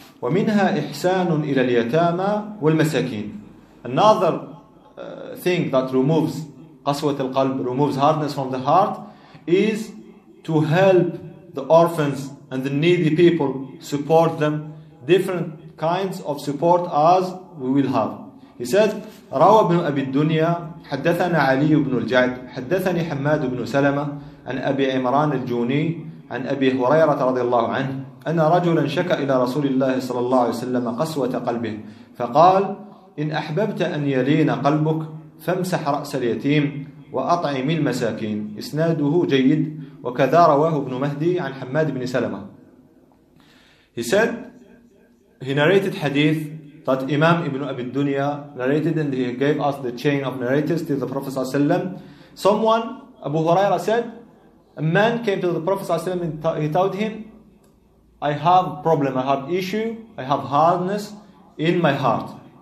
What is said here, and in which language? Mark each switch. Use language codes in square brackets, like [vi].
[ar] وَمِنْهَا إِحْسَانٌ إِلَى الْيَتَامَى وَالْمَسَكِينَ. [en] Another thing that removes [ar] قَسْوَةَ الْقَلْبِ, [en] removes hardness from the heart, is to help the orphans and the needy people, support them. Different kinds of support as we will have. He said, [ar] روى ابن أبي الدنيا حدثنا علي بن الجعد حدثني حماد بن سلمة عن أبي عمران الجوني عن أبي هريرة رضي الله عنه أن رجلا شكى إلى رسول الله صلى الله عليه وسلم قسوة قلبه فقال إن أحببت أن يلين قلبك فامسح رأس اليتيم وأطعم المساكين. إسناده جيد. وكذا رواه ابن مهدي عن حماد بن سلمة. [en] He said, he narrated hadith that Imam Ibn Abi Dunya narrated, and he gave us the chain of narrators to the Prophet ﷺ. Someone, Abu Huraira, said, a man came to the Prophet ﷺ and he told him, I have problem, I have issue, I have hardness in my heart.